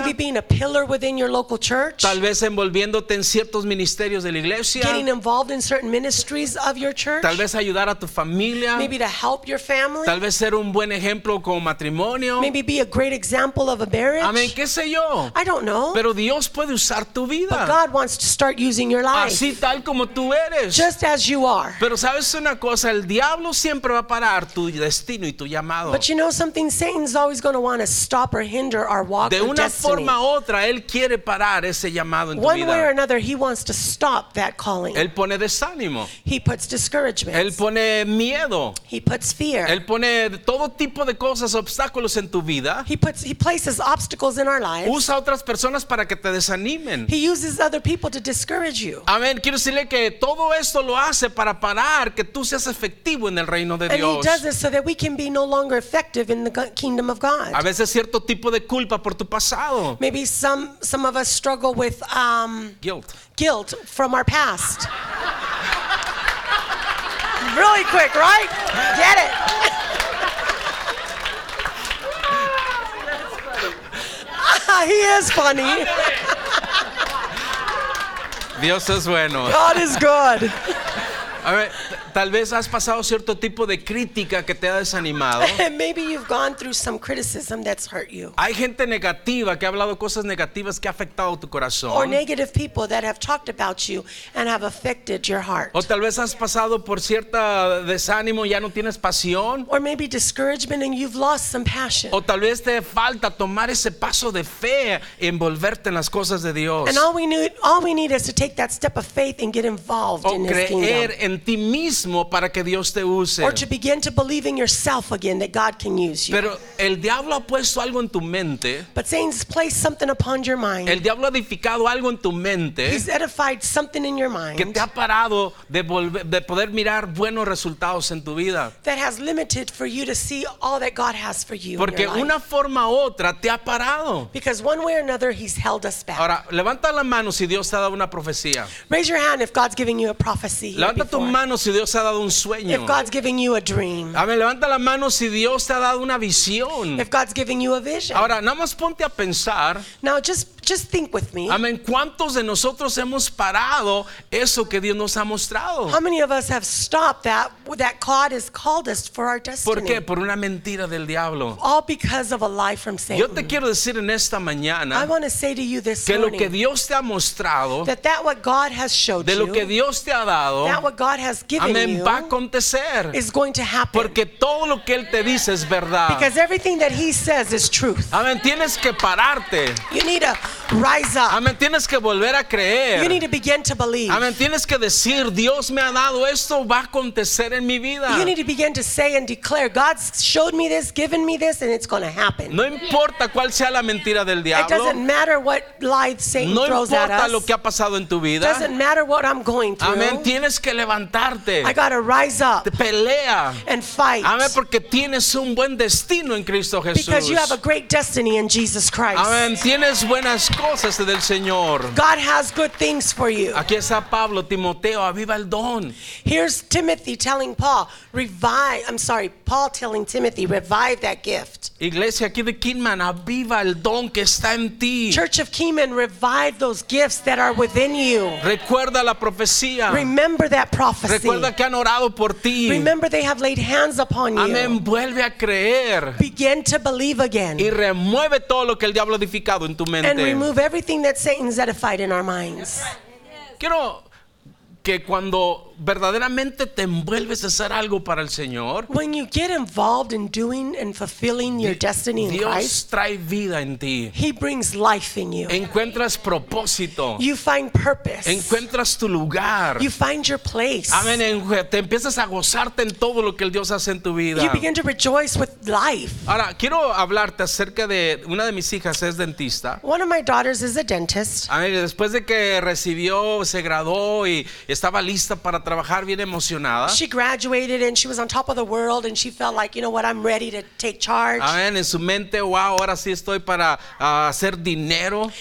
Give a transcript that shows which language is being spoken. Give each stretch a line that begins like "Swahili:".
English: Maybe being a pillar within your local church.
Spanish: Tal vez envolviéndote en ciertos ministerios de la iglesia.
English: Getting involved in certain ministries of your church.
Spanish: Tal vez ayudar a tu familia.
English: Maybe to help your family.
Spanish: Tal vez ser un buen ejemplo como matrimonio.
English: Maybe be a great example of a marriage.
Spanish: Amén, qué sé yo.
English: I don't know.
Spanish: Pero Dios puede usar tu vida.
English: But God wants to start using your life.
Spanish: Así tal como tú eres.
English: Just as you are.
Spanish: Pero sabes una cosa, el diablo siempre va a parar tu destino y tu llamado.
English: But you know something, Satan's always going to want to stop or hinder our walk with destiny.
Spanish: De una forma u otra, él quiere parar ese llamado en tu vida.
English: One way or another, he wants to stop that calling.
Spanish: Él pone desánimo.
English: He puts discouragement.
Spanish: Él pone miedo.
English: He puts fear.
Spanish: Él pone todo tipo de cosas, obstáculos en tu vida.
English: He places obstacles in our lives.
Spanish: Usa otras personas para que te desanimen.
English: He uses other people to discourage you.
Spanish: Amén. Quiero decirle que todo esto lo hace para parar que tú seas efectivo en el reino de Dios.
English: And he does this so that we can be no longer effective. effective in the kingdom of God.
Spanish: A veces cierto tipo de culpa por tu pasado.
English: Maybe some of us struggle with guilt from our past. Really quick, right? Get it. He is funny.
Spanish: Dios es bueno.
English: God is good.
Spanish: A ver, tal vez has pasado cierto tipo de crítica que te ha desanimado.
English: Maybe you've gone through some criticism that's hurt you.
Spanish: Hay gente negativa que ha hablado cosas negativas que ha afectado tu corazón.
English: Or negative people that have talked about you and have affected your heart.
Spanish: O tal vez has pasado por cierta desánimo y ya no tienes pasión.
English: Or maybe discouragement and you've lost some passion.
Spanish: O tal vez te falta tomar ese paso de fe y envolverte en las cosas de Dios.
English: And all we need is to take that step of faith and get involved in
Spanish: creer
English: His kingdom.
Spanish: En ti mismo para que Dios te use.
English: Or to begin to believe in yourself again that God can use you.
Spanish: Pero el diablo ha puesto algo en tu mente.
English: But Satan's placed something upon your mind.
Spanish: El diablo ha edificado algo en tu mente.
English: He's edified something in your mind.
Spanish: Que te ha parado de poder mirar buenos resultados en tu vida.
English: That has limited for you to see all that God has for you.
Spanish: Porque una forma u otra te ha parado.
English: Because one way or another he's held us back.
Spanish: Ahora levanta la mano si Dios te ha dado una profecía.
English: Raise your hand if God's giving you a prophecy.
Spanish: Levanta tu mano si Dios te ha dado un sueño.
English: If God's giving you a dream.
Spanish: Amén. Levanta la mano si Dios te ha dado una visión.
English: If God's giving you a vision.
Spanish: Ahora, nada más ponte a pensar.
English: Now just think with me.
Spanish: Amén. ¿Cuántos de nosotros hemos parado eso que Dios nos ha mostrado?
English: How many of us have stopped that God has called us for our destiny?
Spanish: ¿Por qué? Por una mentira del diablo.
English: All because of a lie from Satan.
Spanish: Yo te quiero decir en esta mañana.
English: I want to say to you this morning.
Spanish: Que lo que Dios te ha mostrado.
English: That what God has showed
Spanish: de
English: you.
Spanish: De lo que Dios te ha dado.
English: That what God has given
Spanish: amen,
English: you
Spanish: va a acontecer.
English: Is going to happen.
Spanish: Porque todo lo que él te dice es verdad.
English: Because everything that he says is truth.
Spanish: Amen. Tienes que pararte.
English: You need to rise up.
Spanish: Amen. Tienes que volver a creer.
English: You need to begin to believe.
Spanish: Amen. Tienes que decir, Dios me ha dado esto, va a acontecer en mi vida.
English: You need to begin to say and declare, God's showed me this, given me this, and it's going to happen.
Spanish: No importa cuál sea la mentira del diablo.
English: It doesn't matter what lies Satan
Spanish: no
English: throws at us.
Spanish: No importa lo que ha pasado en tu vida.
English: It doesn't matter what I'm going through.
Spanish: Amen. Tienes que levantarte.
English: I gotta rise up.
Spanish: Pelea.
English: And fight.
Spanish: Amén, porque tienes un buen destino en Cristo Jesús.
English: Because you have a great destiny in Jesus Christ.
Spanish: Amén, tienes buenas cosas del Señor.
English: God has good things for you.
Spanish: Aquí está Pablo, Timoteo, aviva el don.
English: Here's Timothy telling Paul, Paul telling Timothy, revive that gift.
Spanish: Iglesia aquí de Kingman, aviva el don que está en ti.
English: Church of Kingman, revive those gifts that are within you.
Spanish: Recuerda la profecía.
English: Remember that prophecy.
Spanish: Recuerda que han orado por ti.
English: Remember they have laid hands upon you.
Spanish: Amén. Vuelve a creer.
English: Begin to believe again.
Spanish: Y remueve todo lo que el diablo ha edificado en tu mente.
English: And remove everything that Satan's edified in our minds.
Spanish: Quiero que cuando verdaderamente te envuelves a hacer algo para el Señor,
English: when you get involved in doing and fulfilling your destiny in
Spanish: Dios
English: Christ,
Spanish: trae vida en ti.
English: He brings life in you.
Spanish: Encuentras propósito.
English: You find purpose.
Spanish: Encuentras tu lugar.
English: You find your place.
Spanish: Amen. Te empiezas a gozarte en todo lo que el Dios hace en tu vida.
English: You begin to rejoice with life.
Spanish: Ahora quiero hablarte acerca de una de mis hijas es dentista.
English: One of my daughters is a dentist.
Spanish: Amen. Después de que recibió, se graduó y estaba lista para trabajar bien emocionada.
English: She graduated and she was on top of the world and she felt like, you know what, I'm ready to take charge.
Spanish: Amen. En su mente, wow, ahora sí estoy para hacer dinero.